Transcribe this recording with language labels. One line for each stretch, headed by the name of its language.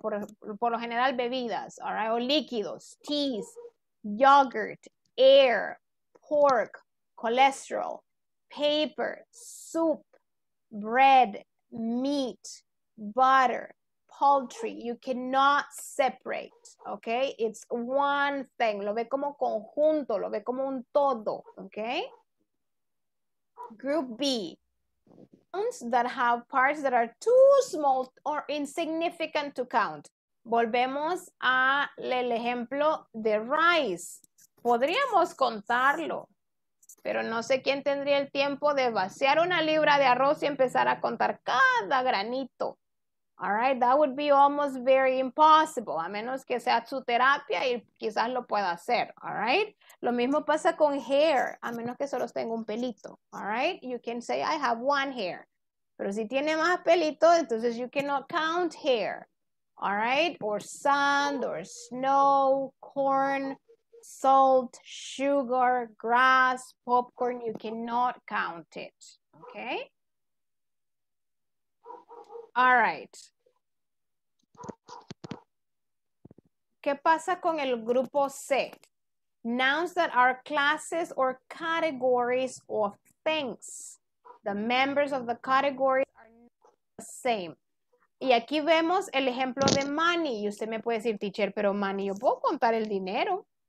Spanish: Por lo general, bebidas.
English: All right.
Spanish: O líquidos.
English: Teas. Yogurt. Air. Pork. Cholesterol. Paper. Soup. Bread. Meat. Butter. Poultry, you cannot separate, okay? It's one thing.
Spanish: Lo ve como conjunto, lo ve como un todo, okay?
English: Group B, nouns that have parts that are too small or insignificant to count.
Spanish: Volvemos al ejemplo de rice. Podríamos contarlo, pero no sé quién tendría el tiempo de vaciar una libra de arroz y empezar a contar cada granito.
English: All right, that would be almost very impossible,
Spanish: a menos que sea su terapia y quizás lo pueda hacer,
English: all right?
Spanish: Lo mismo pasa con hair, a menos que solo tenga un pelito,
English: all right? You can say, I have one hair.
Spanish: Pero si tiene más pelito, entonces
English: you cannot count hair, all right? Or sand, or snow, corn, salt, sugar, grass, popcorn, you cannot count it, okay? All right.
Spanish: ¿Qué pasa con el grupo C?
English: Nouns that are classes or categories of things. The members of the categories are not the same.
Spanish: Y aquí vemos el ejemplo de money. Y usted me puede decir, teacher, pero money, ¿yo puedo contar el dinero?